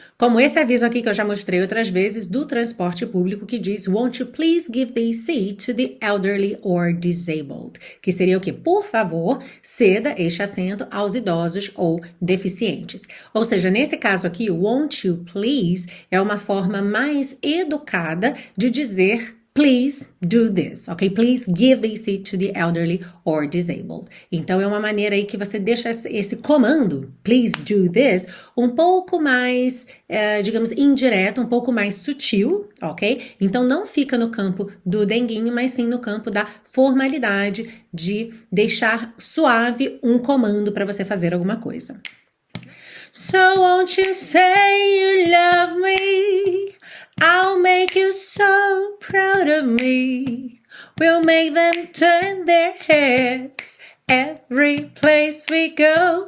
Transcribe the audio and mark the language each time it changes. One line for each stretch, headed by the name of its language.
Portuguese: Como esse aviso aqui que eu já mostrei outras vezes do transporte público que diz
English: won't you please give the seat to the elderly or disabled?
Portuguese: Que seria o quê? Por favor, ceda este assento aos idosos ou deficientes. Ou seja, nesse caso aqui,
English: won't you please
Portuguese: é uma forma mais educada de dizer
English: please do this,
Portuguese: ok?
English: Please give the seat to the elderly or disabled.
Portuguese: Então, é uma maneira aí que você deixa esse comando,
English: please do this,
Portuguese: um pouco mais, digamos, indireto, um pouco mais sutil, ok? Então, não fica no campo do denguinho, mas sim no campo da formalidade de deixar suave um comando para você fazer alguma coisa.
English: So, won't you say you love me? I'll make you so proud of me. We'll make them turn their heads every place we go.